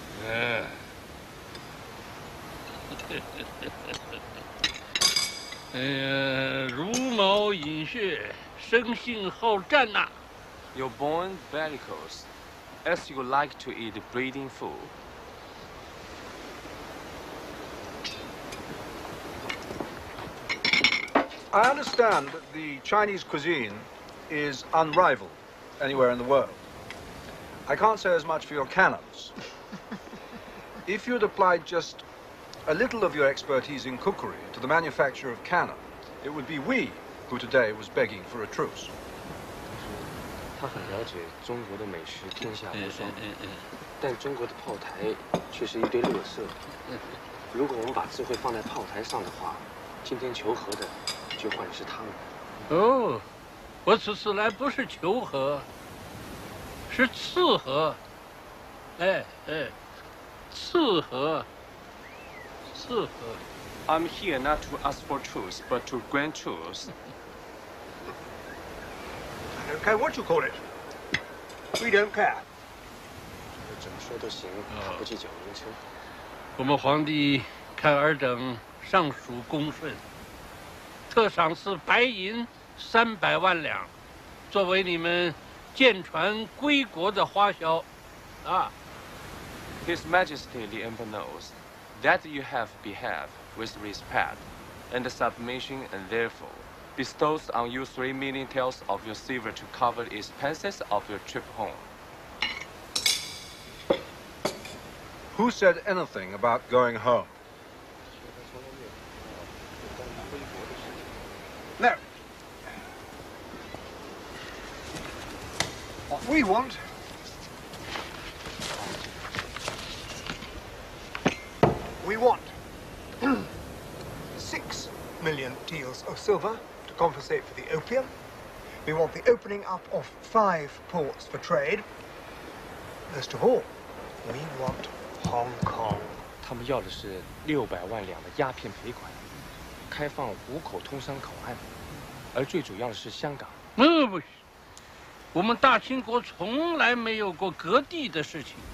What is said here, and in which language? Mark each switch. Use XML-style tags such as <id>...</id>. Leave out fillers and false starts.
<zh>Yeah. 茹毛饮血，生性好战呐、啊。</zh> <en>You're born bellicose, as you like to eat bleeding food. I understand that the Chinese cuisine is unrivaled anywhere in the world. I can't say as much for your cannons. If you'd applied just a little of your expertise in cookery to the manufacture of cannon, it would be we who today was begging for a truce.</en> <zh>他很了解中国的美食天下无双，但中国的炮台却是一堆垃圾。如果我们把智慧放在炮台上的话，今天求和的就换是他们。哦，我此次来不是求和，是赐和。哎哎，赐和，赐和。</zh> <en>I'm here not to ask for truth, but to grant truth. I don't care what you call it. We don't care.</en> <zh>怎么说都行，他不计较名称。我们皇帝看尔等尚属恭顺，特赏赐白银300万两，作为你们舰船归国的花销。啊。</zh> <en>His Majesty the Emperor knows that you have behaved with respect and submission, and therefore bestows on you 3 million taels of your silver to cover the expenses of your trip home. Who said anything about going home? No. What we want. We want 6 million taels of silver to compensate for the opium. We want the opening up of 5 ports for trade. Most of all, we want Hong Kong.</en> <zh>他们要的是600万两的鸦片赔款，开放5口通商口岸，而最主要的是香港。那不行，我们大清国从来没有过割地的事情。</zh>